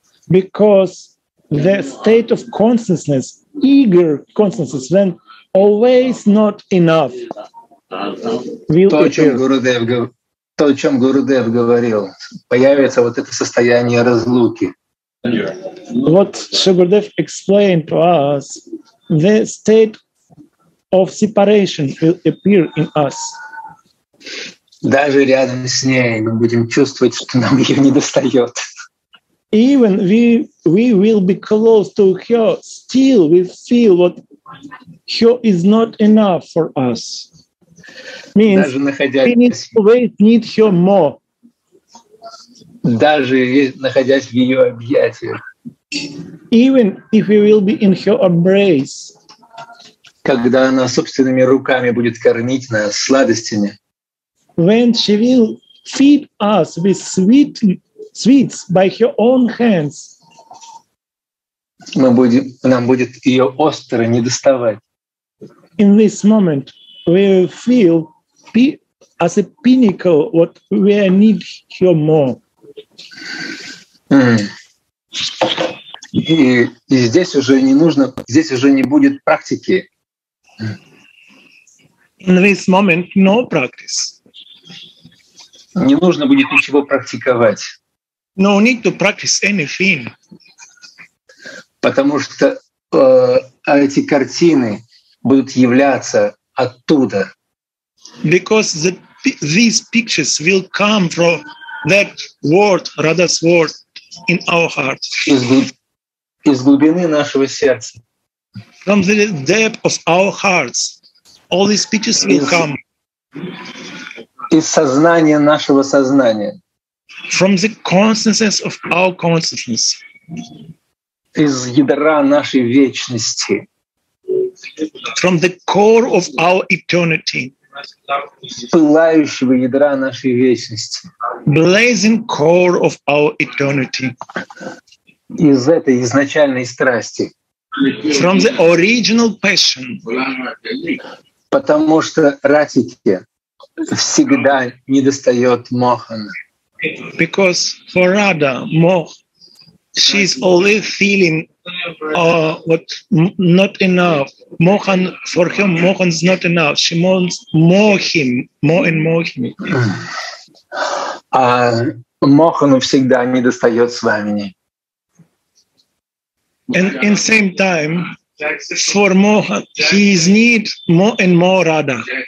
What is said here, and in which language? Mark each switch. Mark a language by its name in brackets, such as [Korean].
[English] because the state of consciousness, eager consciousness, when always not enough, will appear. [Russian] То, о чем Гурудев говорил, появится вот это состояние разлуки. [English] What Shugurdev explained to us, the state of separation will appear in us. [Russian] Даже рядом с ней мы будем чувствовать, что нам ее не достает. [English] Even we will be close to her, still we feel what her is not enough for us. Means we need her more. [Russian] Даже находясь в ее объятиях. [English] Even if we will be in her embrace. [Russian] Когда она собственными руками будет кормить нас сладостями. [English] When she will feed us with sweets by her own hands, [Russian] нам будет ее остро недоставать. [English] In this moment, we feel as a pinnacle what we need her more. [Russian] И здесь уже не будет практики. [English] In this moment, no practice. [Russian] Не нужно будет ничего практиковать. [English] No need to practice anything. [Russian] Потому что эти картины будут являться оттуда. [English] Because these pictures will come from that word, Radha's word, in our heart. [Russian] Из глубины нашего сердца. [English] From the depth of our hearts, all these pictures will come. [Russian] Из сознания нашего сознания. [English] From the consciousness of our consciousness. [Russian] Из ядра нашей вечности. [English] From the core of our eternity. [Russian] Пылающего ядра нашей вечности. [English] Blazing core of our eternity. [Russian] Из этой изначальной страсти. [English] From the original passion. [Russian] Потому что Ратике всегда недостает Мохана. [English] Because for Radha, Moh, she's only feeling what not enough. Mohan, for him, Mohan is not enough. She wants more him, more and more him. [Russian] А Мохану всегда недостает Свамини. [English] And in same time, for Mohan, he is need more and more Radha.